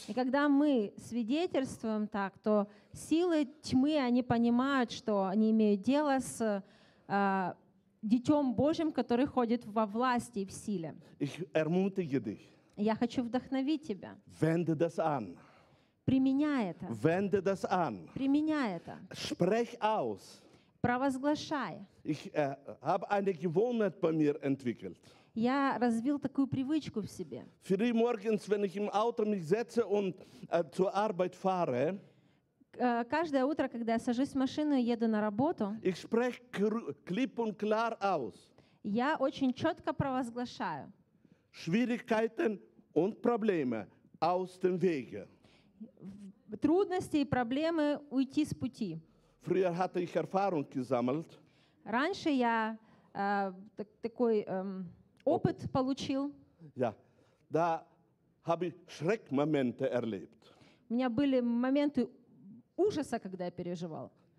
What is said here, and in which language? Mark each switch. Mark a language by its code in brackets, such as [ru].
[ru] И когда мы свидетельствуем так, то силы тьмы, они понимают, что они имеют дело с детем Божьим, который ходит во власти и в силе. [de] Ich ermutige dich. [ru] Я хочу вдохновить тебя. [de] Wende das an. [ru] Применяй это. [de] Wende das an. [ru] Применяй это. [de] Sprech aus. [ru] Провозглашай. [de] Ich habe eine Gewohnheit bei mir entwickelt. [ru] Я развил такую привычку в себе. [de] Früh morgens, wenn ich im Auto mich setze und zur Arbeit fahre, [ru] каждое утро, когда я сажусь в машину и еду на работу, [de] ich spreche klipp und klar aus. [ru] Я очень четко провозглашаю. [de] Schwierigkeiten und Probleme aus dem Wege. [ru] Трудности и проблемы уйти с пути. [de] Früher hatte ich Erfahrung gesammelt. [ru] Раньше я такой опыт получил. [de] Ja, da habe ich Schreckmomente erlebt. [ru] У меня были моменты ужаса, когда я переживал.